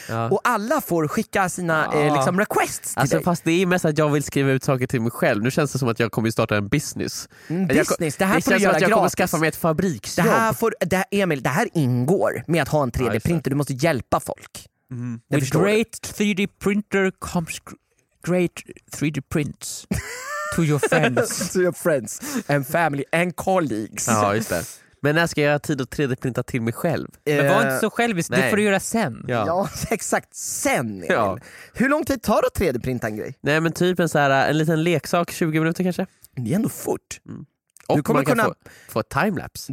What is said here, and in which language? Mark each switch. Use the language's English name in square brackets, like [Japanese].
[Swedish] Ja. Och alla får skicka sina liksom requests till alltså, dig. Fast det är mest att jag vill skriva ut saker till mig själv. Nu känns det som att jag kommer starta en business. Business? Det här får du göra Det känns som att jag kommer skaffa mig ett fabriksjobb. Emil, det här ingår med att ha en 3D-printer. Du måste hjälpa folk. Mm. [English] With great 3D printer comes great 3D prints. To your friends. To your friends and family and colleagues. [Swedish] Ja, just det. Men när ska jag ha tid att 3D-printa till mig själv? Men var inte så självisk. Nej. Det får du göra sen. Ja, exakt. Sen. Ja. Hur lång tid tar det att 3D-printa en grej? Nej, men typ en, så här, en liten leksak, 20 minuter kanske. Det är ändå fort. Mm. Och du kommer kunna få timelapse.